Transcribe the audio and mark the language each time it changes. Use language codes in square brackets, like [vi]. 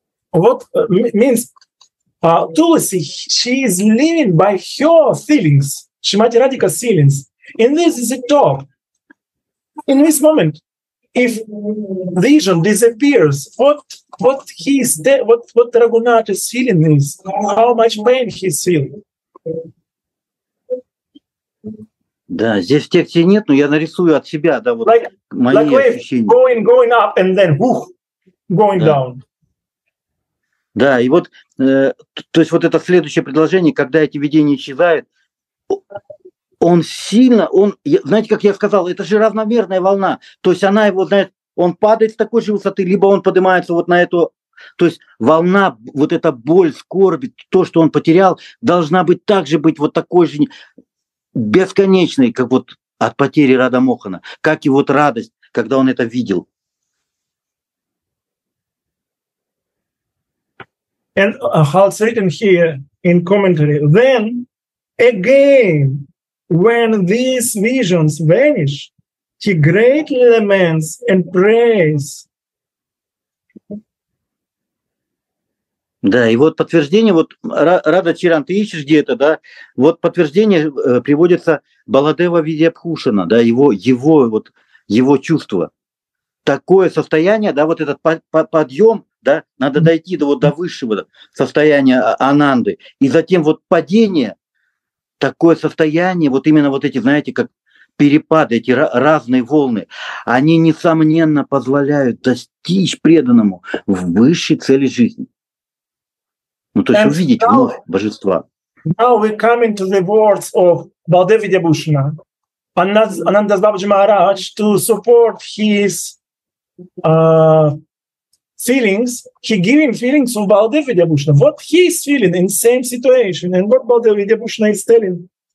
[en] What means Tulasi, she is living by her feelings, Srimati Radhika's feelings. And this is a talk. In this moment, if vision disappears, what Raghunath is feeling is, how much pain he's feeling. [ru] Да, здесь текста нет, но я нарисую от себя, да, вот [en] like, [ru] мои [en] like [ru] ощущения. [en] Going up and then going [ru] да. [en] down. [ru] Да, и вот, то есть вот это следующее предложение, когда эти видения исчезают, он сильно, он, знаете, как я сказал, это же равномерная волна, то есть она его, знаете, он падает с такой же высоты, либо он поднимается вот на эту, то есть волна, вот эта боль, скорбь, то, что он потерял, должна быть также быть вот такой же бесконечный, как вот от потери Рада Мохана, как и вот радость, когда он это видел. [en] And how it's written here in commentary, then again, when these visions vanish, he greatly laments and prays. [ru] Да, и вот подтверждение, вот Рада Чиран, ты ищешь где-то, да, вот подтверждение приводится Баладева Видьябхушана, да, его чувство. Такое состояние, да, вот этот подъем, да, надо дойти до, вот, до высшего состояния Ананды, и затем вот падение, такое состояние, вот именно вот эти, знаете, как перепады, эти разные волны, они, несомненно, позволяют достичь преданному в высшей цели жизни. Ну, то есть увидеть вновь божества. [en] Now we're coming to the words of Baladeva Vidyabhushana. Ananda Babaji Maharaj, to support his feelings, he giving feelings of Baladeva Vidyabhushana. What he is feeling in the same situation, and what Baladeva Vidyabhushana is telling.